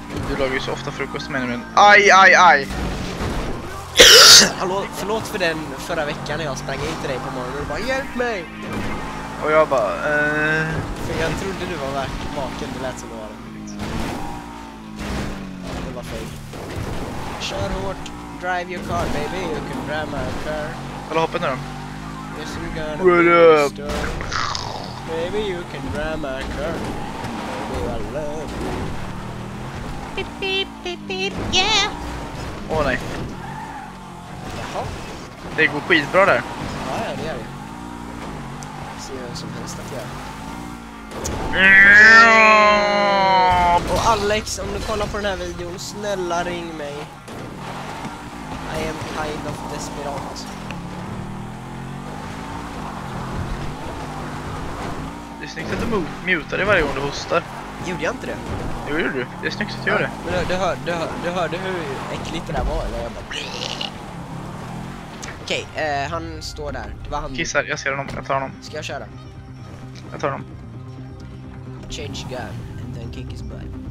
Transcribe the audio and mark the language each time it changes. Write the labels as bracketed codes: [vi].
[sv] Du lagar ju så ofta frukost, menar du? Aj. Hallå, förlåt för den förra veckan när jag sprang in till dig på morgonen och bara, hjälp mig! Och jag bara, För jag trodde du var vaken, det lät som det var. Ja, det var fel. Kör hårt, [en] drive your car baby, you can drive my car. [sv] Kolla hoppet nu då. [en] Yes, we're gonna be stuck. Baby, you can drive my car. Baby, I love you. Beep, beep, beep, beep, yeah! [sv] Åh, nej. Jaha. Det går skitbra där. Ja, det gör det. Ser jag som helst att göra. Och Alex, om du kollar på den här videon, snälla ring mig. [en] I am kind of desperate. [sv] Det är snyggt att du mutar dig varje gång du hostar. Gjorde jag inte det? Jo, gjorde du. Det är snyggt att du gör det. Men du hörde hur äckligt det där var, eller? Jag bara... Okej, han står där. Det var han. Kissar, jag ser honom. Jag tar honom. Ska jag köra? Jag tar honom. [en] Change gun, and then kick his butt.